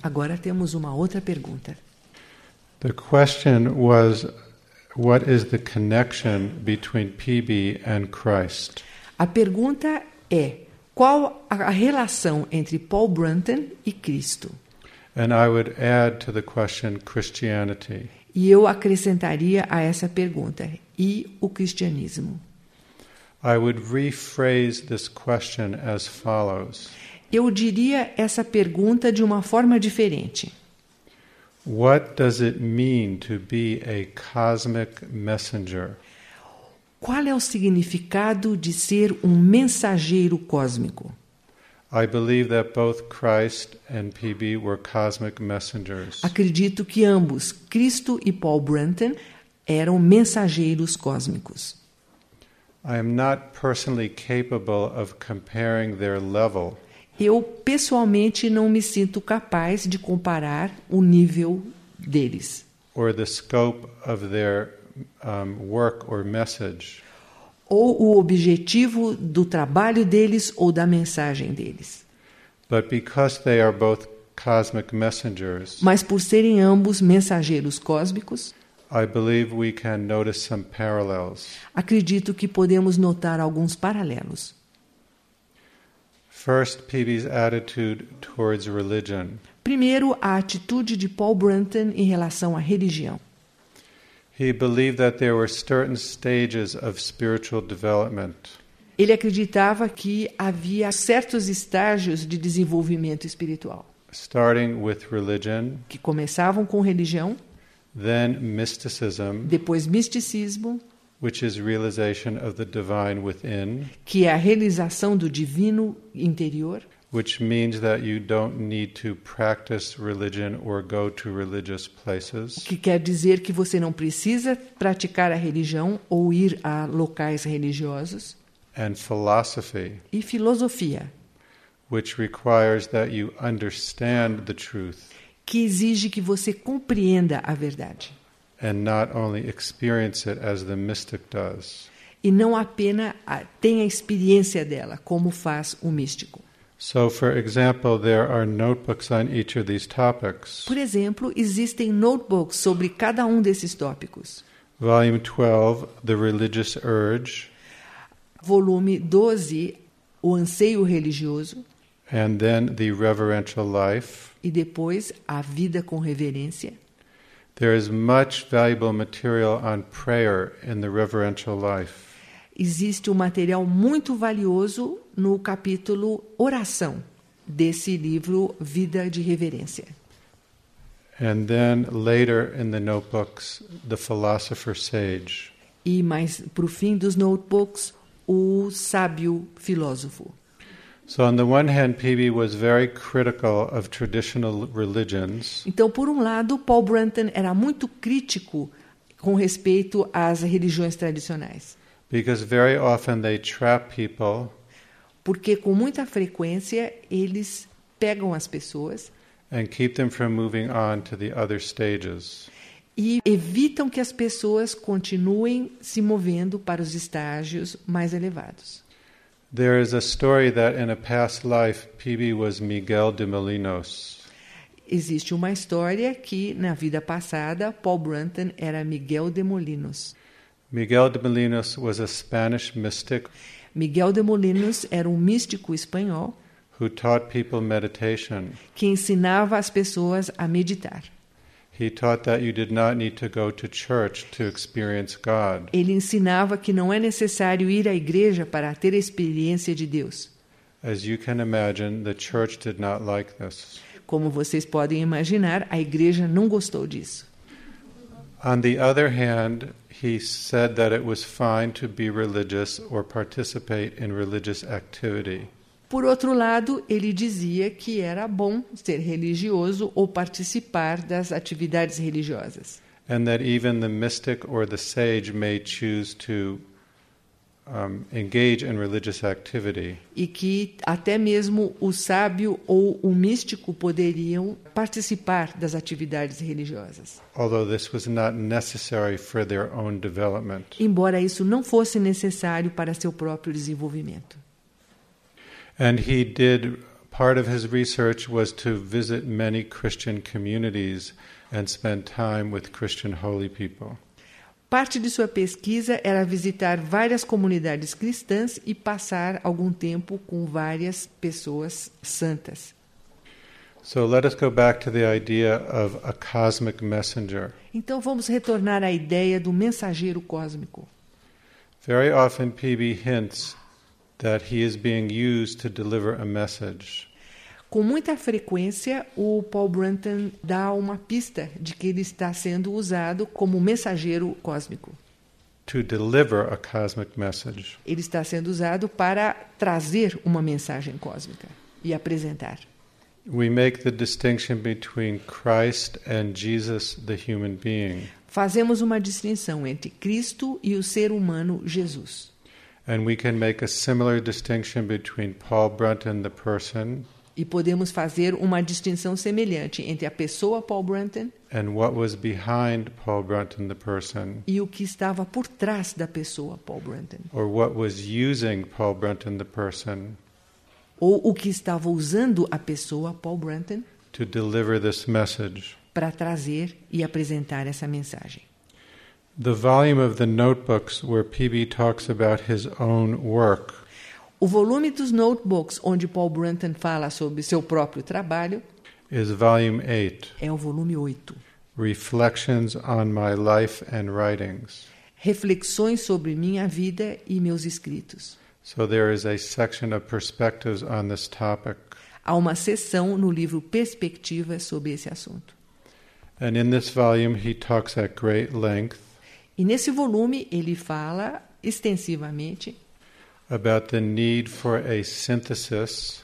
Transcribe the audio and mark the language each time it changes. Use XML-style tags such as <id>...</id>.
<pt>Agora temos uma outra pergunta.</pt> <en>The question was, what is the connection between PB and Christ?</en> <pt>A pergunta é, qual a relação entre Paul Brunton e Cristo?</pt> <en>And I would add to the question, Christianity.</en> <pt>E eu acrescentaria a essa pergunta, e o cristianismo?</pt> <en>I would rephrase this question as follows.</en> <pt>Eu diria essa pergunta de uma forma diferente.</pt> <en>What does it mean to be a cosmic messenger?</en> <pt>Qual é o significado de ser um mensageiro cósmico?</pt> <en>I believe that both Christ and PB were cosmic messengers.</en> <pt>Acredito que ambos, Cristo e Paul Brunton, eram mensageiros cósmicos.</pt> <en>I am not personally capable of comparing their level.</en> <pt>Eu pessoalmente não me sinto capaz de comparar o nível deles.</pt> <en>Or the scope of their work or message.</en> <pt>Ou o objetivo do trabalho deles ou da mensagem deles.</pt> <en>But because they are both cosmic messengers,</en> <pt>mas por serem ambos mensageiros cósmicos,</pt> <en>I believe we can notice some parallels.</en> <pt>Acredito que podemos notar alguns paralelos.</pt> <en>First, PB's attitude towards religion.</en> <pt>Primeiro, a atitude de Paul Brunton em relação à religião.</pt> <en>He believed that there were certain stages of spiritual development.</en> <pt>Ele acreditava que havia certos estágios de desenvolvimento espiritual.</pt> <en>Starting with religion.</en> <pt>Que começavam com religião.</pt> <en>Then mysticism.</en> <pt>Depois misticismo.</pt> <en>Which is realization of the divine within.</en> <pt>Que é a realização do divino interior.</pt> <en>Which means that you don't need to practice religion or go to religious places.</en> <pt>O que quer dizer que você não precisa praticar a religião ou ir a locais religiosos.</pt> <en>And philosophy.</en> <pt>E filosofia.</pt> <en>Which requires that you understand the truth.</en> <pt>Que exige que você compreenda a verdade.</pt> <en>And not only experience it as the mystic does.</en> <pt>E não apenas tenha experiência dela, como faz o místico.</pt> <en>So, for example, there are notebooks on each of these topics.</en> <pt>Por exemplo, existem notebooks sobre cada desses tópicos.</pt> <en>Volume 12, The Religious Urge.</en> <pt>Volume 12, O Anseio Religioso.</pt> <en>And then The Reverential Life.</en> <pt>E depois, A Vida com Reverência.</pt> <en>There is much valuable material on prayer in The Reverential Life.</en> <pt>Existe material muito valioso no capítulo Oração, desse livro Vida de Reverência.</pt> <en>And then, later in the notebooks, The Philosopher Sage.</en> <pt>E mais para o fim dos notebooks, O Sábio Filósofo.</pt> <en>So on the one hand, P.B. was very critical of traditional religions.</en> <pt>Então, por lado, Paul Brunton era muito crítico com respeito às religiões tradicionais.</pt> <en>Because very often they trap people.</en> <pt>Porque com muita frequência eles pegam as pessoas.</pt> <en>And keep them from moving on to the other stages.</en> <pt>E evitam que as pessoas continuem se movendo para os estágios mais elevados.</pt> <en>There is a story that in a past life PB was Miguel de Molinos.</en> <pt>Existe uma história que na vida passada Paul Brunton era Miguel de Molinos.</pt> <en>Miguel de Molinos was a Spanish mystic.</en> <pt>Miguel de Molinos era um místico espanhol.</pt> <en>Who taught people meditation.</en> <pt>Que ensinava as pessoas a meditar.</pt> <en>He taught that you did not need to go to church to experience God.</en> <pt>Ele ensinava que não é necessário ir à igreja para ter a experiência de Deus.</pt> <en>As you can imagine, the church did not like this.</en> <pt>Como vocês podem imaginar, a igreja não gostou disso.</pt> <en>On the other hand, he said that it was fine to be religious or participate in religious activity.</en> <pt>Por outro lado, ele dizia que era bom ser religioso ou participar das atividades religiosas.</pt> <en>And that even the mystic or the sage may choose to engage in religious activity.</en> <pt>E que até mesmo o sábio ou o místico poderiam participar das atividades religiosas.</pt> <en>Although this was not necessary for their own development.</en> <pt>Embora isso não fosse necessário para seu próprio desenvolvimento.</pt> <en>And he did, part of his research was to visit many Christian communities and spend time with Christian holy people.</en> <pt>Parte de sua pesquisa era visitar várias comunidades cristãs e passar algum tempo com várias pessoas santas.</pt> <en>So let us go back to the idea of a cosmic messenger.</en> <pt>Então vamos retornar à ideia do mensageiro cósmico.</pt> <en>Very often PB hints that he is being used to deliver a message.</en> <pt>Com muita frequência, o Paul Brunton dá uma pista de que ele está sendo usado como mensageiro cósmico.</pt> <en>To deliver a cosmic message.</en> <pt>Ele está sendo usado para trazer uma mensagem cósmica e apresentar.</pt> <en>We make the distinction between Christ and Jesus, the human being.</en> <pt>Fazemos uma distinção entre Cristo e o ser humano Jesus.</pt> <en>And we can make a similar distinction between Paul Brunton, the person.</en> <pt>E podemos fazer uma distinção semelhante entre a pessoa Paul Brunton.</pt> <en>And what was behind Paul Brunton, the person.</en> <pt>E o que estava por trás da pessoa Paul Brunton.</pt> <en>Or what was using Paul Brunton, the person.</en> <pt>Ou o que estava usando a pessoa Paul Brunton.</pt> <en>To deliver this message.</en> <pt>Para trazer e apresentar essa mensagem.</pt> <en>The volume of the notebooks where PB talks about his own work.</en> <pt>O volume dos notebooks onde Paul Brunton fala sobre seu próprio trabalho.</pt> <en>Is volume 8.</en> <pt>É o volume 8.</pt> <en>Reflections on my life and writings.</en> <pt>Reflexões sobre minha vida e meus escritos.</pt> <en>So there is a section of perspectives on this topic.</en> <pt>Há uma seção no livro Perspectivas sobre esse assunto.</pt> <en>And in this volume he talks at great length.</en> <pt>E nesse volume ele fala extensivamente</pt> <en>about the need for a synthesis,</en>